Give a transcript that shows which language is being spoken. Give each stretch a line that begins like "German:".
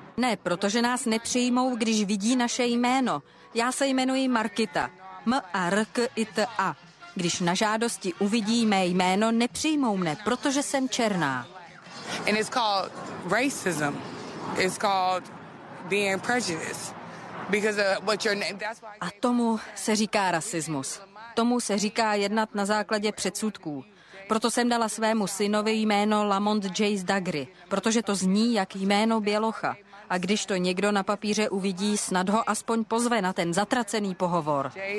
Czech: Ne, protože nás nepřijmou, když vidí naše jméno. Já se jmenuji Markita. M-A-R-K-I-T-A. Když na žádosti uvidí mé jméno, nepřijmou mne, protože jsem černá.
English: And it's called racism. It's called being prejudiced. Because of what your name... That's why...
Czech: A tomu se říká rasismus. Tomu se říká jednat na základě předsudků. Proto jsem dala svému synovi jméno Lamont Jace Daggry, protože to zní jak jméno bělocha. A když to někdo na papíře uvidí, snad ho aspoň pozve na ten zatracený pohovor.